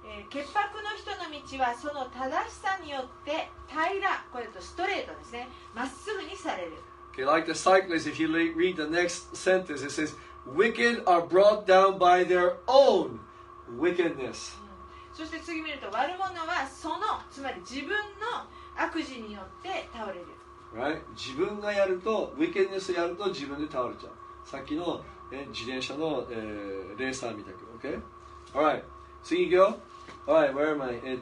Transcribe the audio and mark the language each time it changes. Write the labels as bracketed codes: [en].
[ja] 潔白の人の道はその正しさによって平ら、これとストレートですね。まっすぐにされる。 [en] Okay, like the cyclist, if you read the next sentence, it says, "Wicked are brought down by their own wickedness." [ja] そして次見ると、悪者はその、つまり自分の悪事によって倒れる。 Right? 自分がやると、wickedness をやると自分で倒れちゃう。さっきの、自転車の、レーサーみたいな。 [en] OK? Alright, [ja] 次行くよ。 [en] Alright, where am I?